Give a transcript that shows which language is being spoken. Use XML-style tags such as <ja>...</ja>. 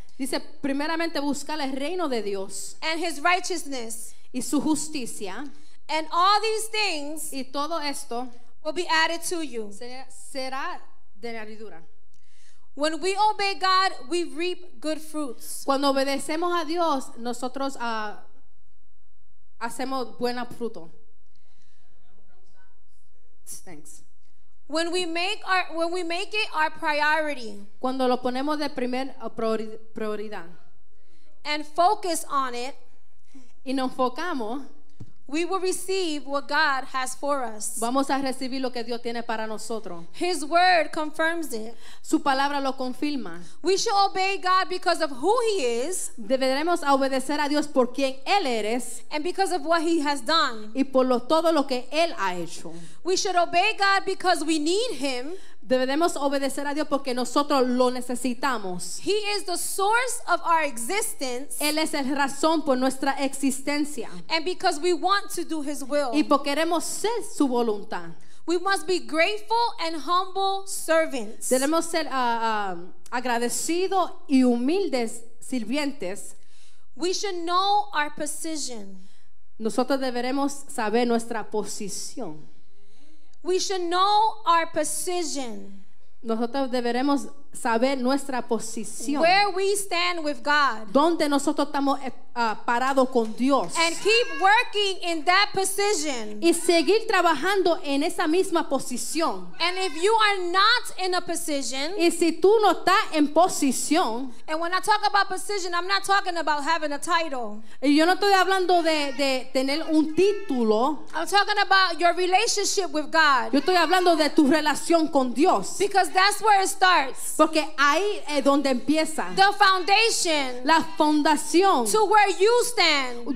<es>Dice, primeramente buscar el reino de Dios.</es> <en>And his righteousness.</en> <es>Y su justicia.</es> <en>And all these things.</en> <es>Y todo esto.</es> <en>Will be added to you.</en> <es>Será de añadidura.</es> <en>When we obey God, we reap good fruits.</en> <es>Cuando obedecemos a Dios, nosotros hacemos buena fruto.</es> <en>Thanks. When we make it our priority.</en> <es>Cuando lo ponemos de primer prioridad.</es> <en>And focus on it.</en> <es>Y nos enfocamos.</es> <en>We will receive what God has for us.</en> <es>Vamos a recibir lo que Dios tiene para nosotros.</es> <en>His word confirms it.</en> <es>Su palabra lo confirma.</es> <en>We should obey God because of who he is.</en> <es>Deberemos obedecer a Dios por quien él eres.</es> <en>And because of what he has done.</en> <es>Y por todo lo que él ha hecho.</es> <en>We should obey God because we need him.</en> <es>Debemos obedecer a Dios porque nosotros lo necesitamos.</es> <en>He is the source of our existence.</en> <es>Él es la razón por nuestra existencia.</es> <en>And because we want to do his will.</en> <es>Y porque queremos ser su voluntad.</es> <en>We must be grateful and humble servants.</en> <es>Debemos ser agradecidos y humildes sirvientes.</es> <en>We should know our position.</en> <es>Nosotros deberemos saber nuestra posición.</es> <en>We should know our position.</en> <es>Nosotros deberemos saber nuestra posición.</es> <en>Where we stand with God.</en> <es>Donde nosotros estamos parados con Dios.</es> <en>And keep working in that position.</en> <es>Y seguir trabajando en esa misma posición.</es> <en>And if you are not in a position.</en> <es>Y si tú no estás en posición.</es> <en>And when I talk about position, I'm not talking about having a title.</en> <es>Y yo no estoy hablando de tener un título.</es> <en>I'm talking about your relationship with God.</en> <es>Yo estoy hablando de tu relación con Dios.</es> <en>Because that's where it starts.</en> <es>Porque ahí es donde empieza.</es> <en>The foundation.</en> <es>La fundación.</es> <en>To where you stand.</en>